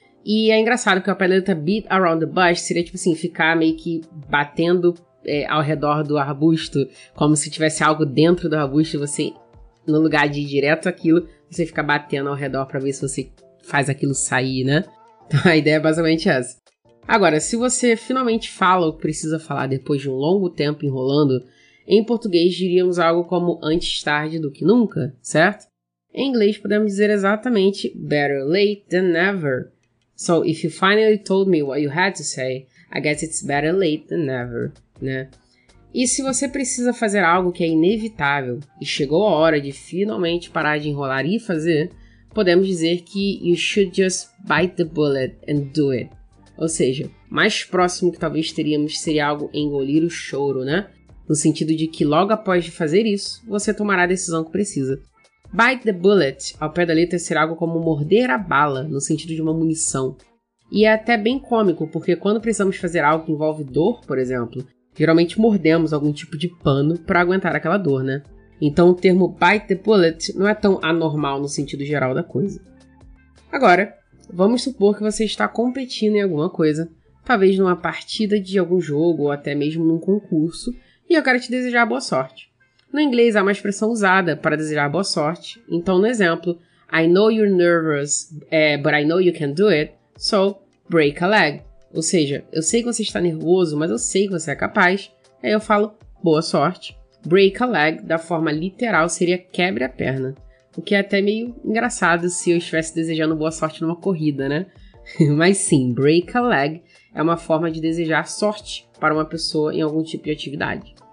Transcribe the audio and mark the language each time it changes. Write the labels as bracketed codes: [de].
[pt] E é engraçado que a palavra [en] beat around the bush [pt] seria, tipo assim, ficar meio que batendo ao redor do arbusto, como se tivesse algo dentro do arbusto e você, no lugar de ir direto àquilo, você fica batendo ao redor pra ver se você faz aquilo sair, né? A ideia é basicamente essa. Agora, se você finalmente fala o que precisa falar depois de um longo tempo enrolando, em português diríamos algo como antes tarde do que nunca, certo? Em inglês podemos dizer exatamente [en] better late than never. So, if you finally told me what you had to say, I guess it's better late than never, né? [pt] E se você precisa fazer algo que é inevitável e chegou a hora de finalmente parar de enrolar e fazer, podemos dizer que [en] you should just bite the bullet and do it. [pt] Ou seja, mais próximo que talvez teríamos seria algo engolir o choro, né? No sentido de que logo após fazer isso, você tomará a decisão que precisa. [en] Bite the bullet, [pt] ao pé da letra, seria algo como morder a bala, no sentido de uma munição. E é até bem cômico, porque quando precisamos fazer algo que envolve dor, por exemplo, geralmente mordemos algum tipo de pano para aguentar aquela dor, né? Então, o termo [en] bite the bullet [pt] não é tão anormal no sentido geral da coisa. Agora, vamos supor que você está competindo em alguma coisa, talvez numa partida de algum jogo ou até mesmo num concurso, e eu quero te desejar boa sorte. No inglês, há uma expressão usada para desejar boa sorte. Então, no exemplo, [en] I know you're nervous, but I know you can do it, so break a leg. [pt] Ou seja, eu sei que você está nervoso, mas eu sei que você é capaz, aí eu falo boa sorte. [en] Break a leg, [pt] da forma literal, seria quebre a perna. O que é até meio engraçado se eu estivesse desejando boa sorte numa corrida, né? Mas sim, [en] break a leg [pt] é uma forma de desejar sorte para uma pessoa em algum tipo de atividade.